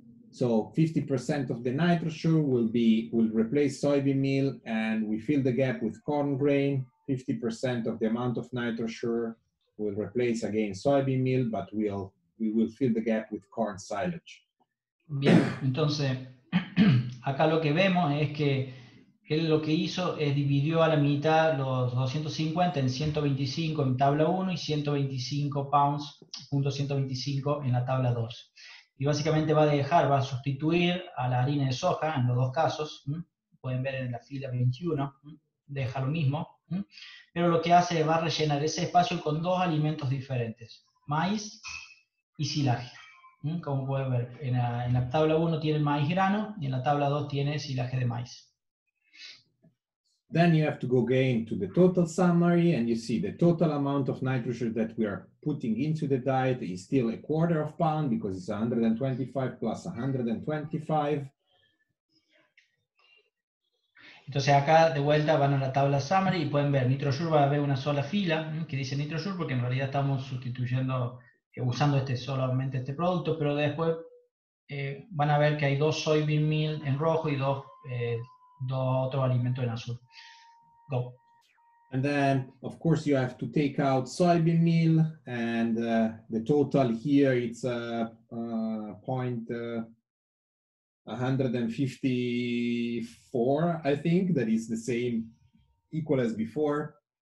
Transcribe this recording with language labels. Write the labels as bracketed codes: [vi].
[en] So 50% of the NitroSure will replace soybean meal, and we fill the gap with corn grain. 50% of the amount of NitroSure will replace again soybean meal, but we will fill the gap with corn silage. [es] Bien, entonces acá lo que vemos es que él lo que hizo es dividió a la mitad los 250 en 125 en tabla 1 y 125 pounds, .125 en la tabla 2. Y básicamente va a sustituir a la harina de soja en los dos casos, pueden ver en la fila 21, deja lo mismo, pero lo que hace es va a rellenar ese espacio con dos alimentos diferentes, maíz y silaje. Como pueden ver, en la tabla 1 tiene maíz grano y en la tabla 2 tiene silaje de maíz. [en] Then you have to go again to the total summary, and you see the total amount of NitroSure that we are putting into the diet is still a quarter of pound because it's 125 plus 125. [es] Entonces acá de vuelta van a la tabla summary y pueden ver NitroSure, va a haber una sola fila que dice NitroSure porque en realidad estamos sustituyendo, usando solamente este producto, pero después van a ver que hay dos soybean meal en rojo y dos otro alimento en azul. [en] Go. And then, of course, you have to take out soybean meal, and the total here it's a point 154, I think, that is the same, equal as before.